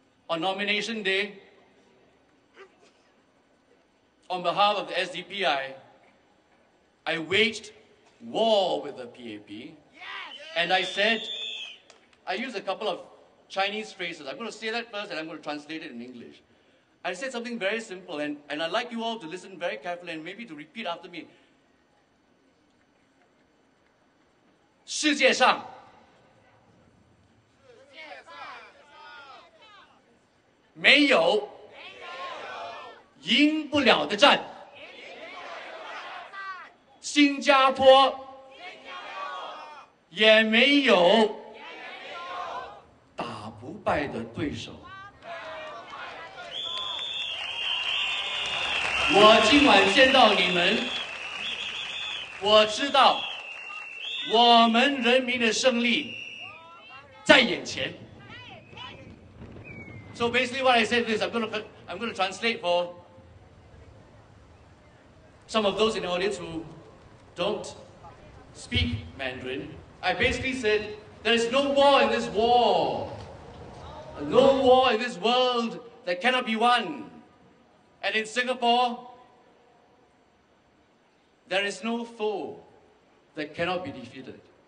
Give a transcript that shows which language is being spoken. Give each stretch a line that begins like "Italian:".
English: On nomination day, on behalf of the SDP, I waged war with the PAP. Yes! And I said, I used a couple of Chinese phrases. I'm going to say that first and I'm going to translate it in English. I said something very simple, and I'd like you all to listen very carefully and maybe to repeat after me.
Chinese: 世界上 没有赢不了的战，新加坡也没有打不败的对手。我今晚见到你们，我知道我们人民的胜利在眼前。
English: So basically what I said is, I'm going to translate for some of those in the audience who don't speak Mandarin. I basically said, there is no war in this war. No war in this world that cannot be won. And in Singapore, there is no foe that cannot be defeated.